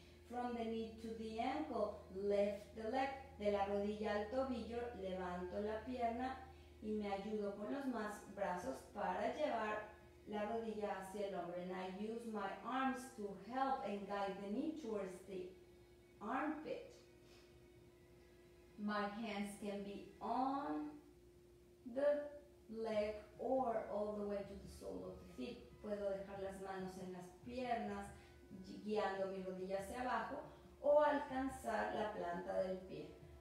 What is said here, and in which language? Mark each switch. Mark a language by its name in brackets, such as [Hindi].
[English] From the knee to the ankle, lift the leg. [Spanish] De la rodilla al tobillo, levanto la pierna y me ayudo con los más brazos para llevar la rodilla hacia el hombro. [English] And I use my arms to help and guide the knee towards the armpit. My hands can be on the leg or all the way to the sole of the feet. [Spanish] Puedo dejar las manos en las piernas, guiando mi rodilla hacia abajo, o alcanzar la planta del pie.